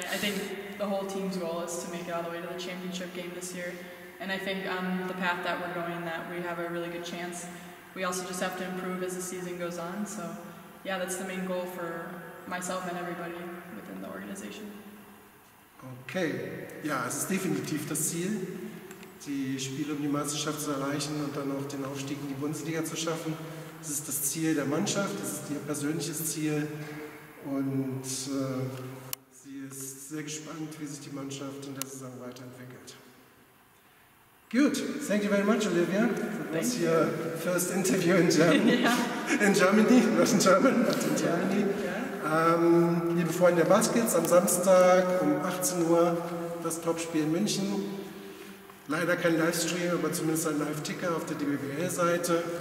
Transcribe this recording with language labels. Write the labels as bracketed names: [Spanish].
[English] I think the whole team's goal is to make it all the way to the championship game this year. And I think on the path that we're going, that we have a really good chance. We also just have to improve as the season goes on. So, yeah, that's the main goal for myself and everybody within the organization. Okay. [German] Ja, es ist definitiv das Ziel, die Spiele um die Meisterschaft zu erreichen und dann auch den Aufstieg in die Bundesliga zu schaffen. Es ist das Ziel der Mannschaft, es ist ihr persönliches Ziel, und sie ist sehr gespannt, wie sich die Mannschaft in der Saison weiterentwickelt. [English] Good, thank you very much, Olivia. That was your first interview in Germany. Yeah. In Germany, not in German, but in Germany. Yeah. [German] Liebe Freunde der Baskets, am Samstag um 18 Uhr das Topspiel in München. Leider kein Livestream, aber zumindest ein Live-Ticker auf der DBBL-Seite.